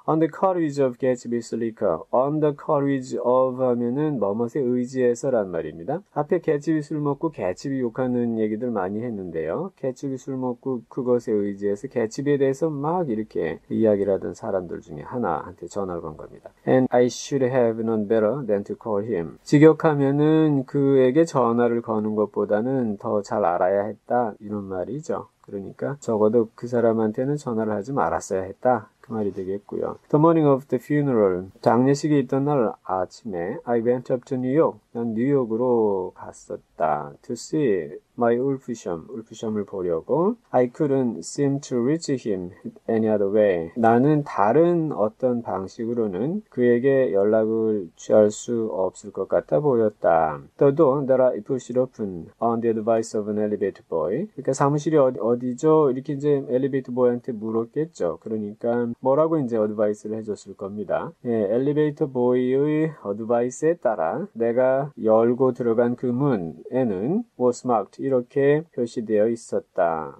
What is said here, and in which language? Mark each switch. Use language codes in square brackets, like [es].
[en] On the courage of Gatsby's liquor. On the courage of [ko] 하면은 뭐뭇에 의지해서란 말입니다. 앞에 개츠비 술 먹고 개츠비 욕하는 얘기들 많이 했는데요. 개츠비 술 먹고 그것에 의지해서 개츠비에 대해서 막 이렇게 이야기를 하던 사람들 중에 하나한테 전화를 건 겁니다. [en] And I should have known better than to call him. [ko] 직역하면은 그에게 전화를 거는 것보다는 더잘 알아야 했다. 이런 말이죠. 그러니까 적어도 그 사람한테는 전화를 하지 말았어야 했다. 그 말이 되겠고요. [en] The morning of the funeral. [ko] 장례식이 있던 날 아침에 [en] I went up to New York. [ko] 난 뉴욕으로 갔었다. [en] To see my old friend. [ko] 올 프렴을 보려고. [en] I couldn't seem to reach him any other way. [ko] 나는 다른 어떤 방식으로는 그에게 연락을 취할 수 없을 것 같아 보였다. [en] The door that I pushed open on the advice of an elevator boy. [ko] 그러니까 사무실이 어디죠? 이렇게 이제 엘리베이터 보이한테 물었겠죠. 그러니까 뭐라고 이제 어드바이스를 해줬을 겁니다. 예, 엘리베이터 보이의 어드바이스에 따라 내가 열고 들어간 그 문에는 [en] was marked [ko] 이렇게 표시되어 있었다.